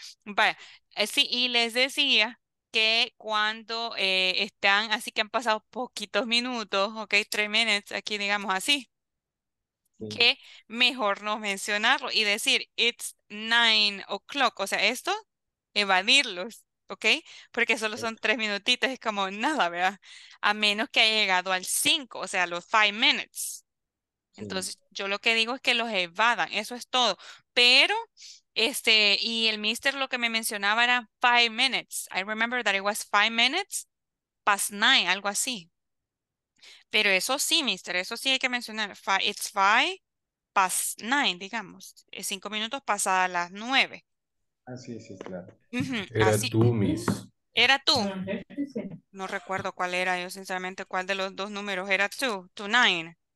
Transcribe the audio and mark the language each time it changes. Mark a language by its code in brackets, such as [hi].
[es] Vaya, sí, y les decía que cuando están, así que han pasado poquitos minutos, ok, 3 minutes, aquí digamos así, que mejor no mencionarlo y decir, [en] it's 9 o'clock, [es] o sea, esto, evadirlos. ¿Ok? Porque solo son 3 minutitos, es como nada, ¿verdad? A menos que haya llegado al 5, o sea, los 5 minutes. Entonces, sí. Yo lo que digo es que los evadan, eso es todo. Pero Y el mister lo que me mencionaba era 5 minutes. [en] I remember that it was 5 minutes past 9, [es] algo así. Pero eso sí, mister, eso sí hay que mencionar. [en] It's 5 past 9, [es] digamos. 5 minutos pasada las 9. Así es, sí, claro. Era así, tú, miss. Era tú. No recuerdo cuál era, yo sinceramente, cuál de los dos números era tú. To 9.